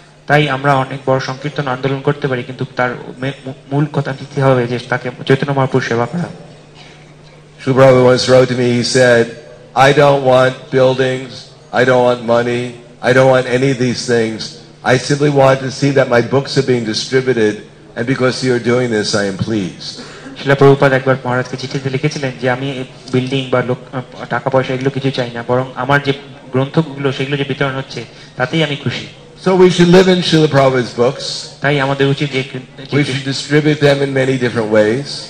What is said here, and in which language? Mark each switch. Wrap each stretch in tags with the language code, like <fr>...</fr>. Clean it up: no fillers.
<bn>তাই আমরা অনেক বড় সংকীর্তন আন্দোলন করতে পারি কিন্তু তার মূল কথা কি হবে যে তাকে চৈতন্য মহাপুরুষ সেবা করা</bn> <en>Shubhrabhu once wrote to me, he said, I don't want buildings, I don't want money, I don't want any of these things. I simply want to see that my books are being distributed and because you're doing this, I am pleased.</en> <bn>Srila Prabhupada একবার মহারাজকে চিঠিতে লিখেছিলেন যে আমি building বা লোক টাকা পয়সা এগুলো কিছু চাই না বরং আমার যে গ্রন্থগুলো সেগুলো যে বিতরণ হচ্ছে তাতেই আমি খুশি</bn> <en>So we should live in Srila Prabhupada's books. We should distribute them in many different ways.</en>